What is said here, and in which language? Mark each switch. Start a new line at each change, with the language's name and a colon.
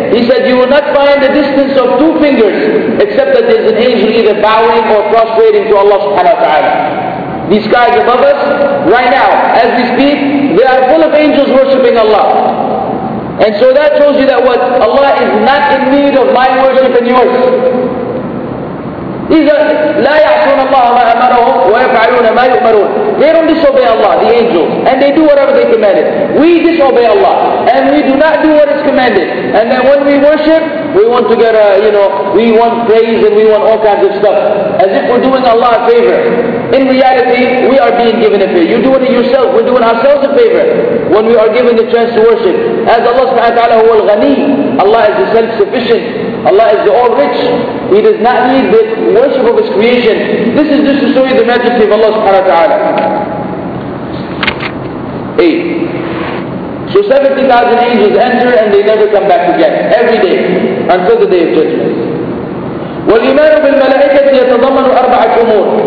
English: He said, you will not find the distance of two fingers, except that there's an angel either bowing or prostrating to Allah subhanahu wa ta'ala. These skies above us, right now, as we speak, they are full of angels worshipping Allah. And so that shows you that what? Allah is not in need of my worship and yours. These are,
Arabic: لا يعصون الله ما أمرهم ويفعلون ما يؤمرون.
English: They don't disobey Allah, the angels, and they do whatever they commanded. We disobey Allah, and we do not do what is commanded. And then when we worship, we want to get we want praise and we want all kinds of stuff. As if we're doing Allah a favor. In reality, we are being given a favor. You're doing it yourself, we're doing ourselves a favor when we are given the chance to worship. As Allah subhanahu wa ta'ala huwa al-ghani, Allah is the self-sufficient. Allah is the all-rich. He does not need the worship of His creation. This is just to show you the majesty of Allah subhanahu wa ta'ala. 8. So 70,000 angels enter and they never come back again. Every day. Until the day of judgment.
Arabic: والإيمان بالملائكة يتضمن أربعة أمور.